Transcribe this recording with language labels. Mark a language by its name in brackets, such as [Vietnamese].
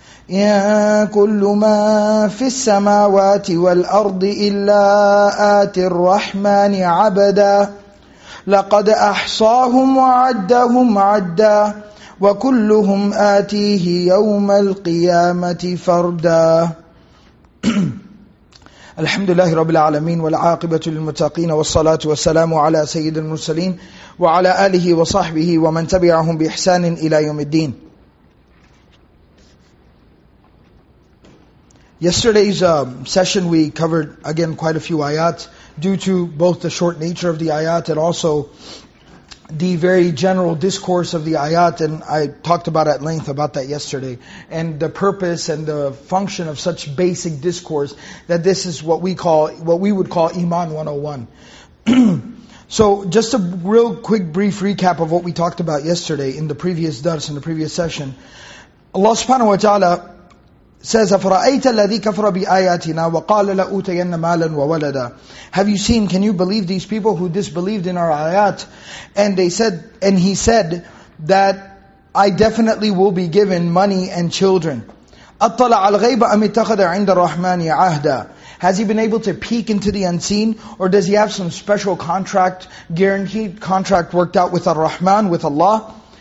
[Arabic] إن كل من في السماوات والأرض إلا آتي الرحمن عبدا لقد أحصاهم وعدهم عدا وكلهم آتيه يوم القيامة فردا الحمد لله رب العالمين والعاقبة للمتقين والصلاة والسلام على سيد المرسلين وعلى آله وصحبه ومن تبعهم بإحسان إلى يوم الدين. [English] Yesterday's session we covered again quite a few ayat due to both the short nature of the ayat and also the very general discourse of the ayat, and I talked about at length about that yesterday, and the purpose and the function of such basic discourse, that this is what we call, what we would call Iman 101. So just a real quick brief recap of what we talked about yesterday in the previous dars, in the previous session. Allah subhanahu wa ta'ala says, [Arabic] أَفْرَأَيْتَ الَّذِي كَفْرَ بِآيَاتِنَا وَقَالَ لَأُوتَيَنَّ مَالًا وَوَلَدًا. [English] Have you seen, can you believe these people who disbelieved in our ayat? And they said, and he said that I definitely will be given money and children. [Arabic] أَطَّلَعَ الْغَيْبَ أَمِ اتَّخَذَ عِنْدَ الرَّحْمَنِ عَهْدًا. [English] Has he been able to peek into the unseen, or does he have some special contract, guaranteed contract worked out with Ar-Rahman, with Allah?